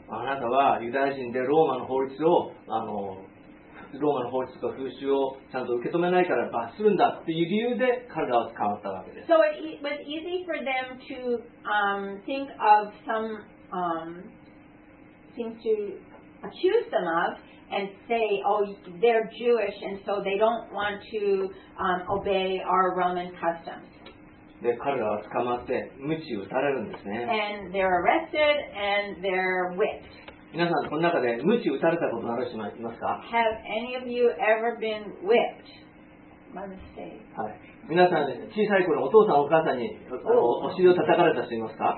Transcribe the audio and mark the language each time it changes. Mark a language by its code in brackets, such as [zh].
[ja] あなたはユダヤ人でローマの法律をローマの法律と風習をちゃんと受け止めないから罰するんだっていう理由で彼らは捕まったわけです。 [en] So it was easy for them to think of some thing to accuse them of and say, oh, they're Jewish and so they don't want to obey our Roman customs. [ja] で、彼らは捕まって鞭打たれるんですね。 [en] And they're arrested and they're whipped. [ja] 皆さんこの中で鞭打たれたことある人いますか？ [en] Have any of you ever been whipped? My mistake. [ja] 皆さん小さい頃お父さんお母さんにお尻を叩かれた人いますか？